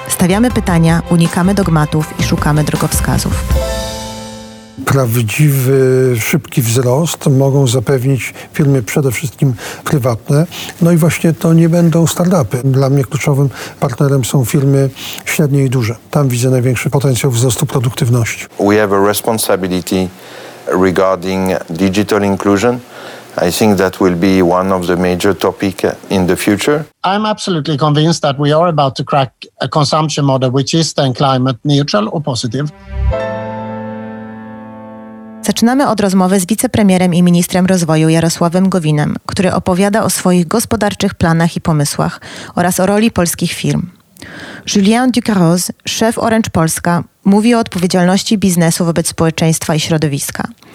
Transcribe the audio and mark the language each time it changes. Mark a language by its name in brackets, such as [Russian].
[Polish] Stawiamy pytania, unikamy dogmatów i szukamy drogowskazów. Prawdziwy, szybki wzrost mogą zapewnić firmy przede wszystkim prywatne. No i właśnie to nie będą startupy. Dla mnie kluczowym partnerem są firmy średnie i duże. Tam widzę największy potencjał wzrostu produktywności. [English] We have a responsibility regarding digital inclusion. I think that will be one of the major topics in the future. I'm absolutely convinced that we are about to crack a consumption model which is then climate neutral or positive. [Polish] Zaczynamy od rozmowy z wicepremierem i ministrem rozwoju Jarosławem Gowinem, który opowiada o swoich gospodarczych planach i pomysłach oraz o roli polskich firm. Julien Ducarroz, szef Orange Polska, mówi o odpowiedzialności biznesu wobec społeczeństwa i środowiska.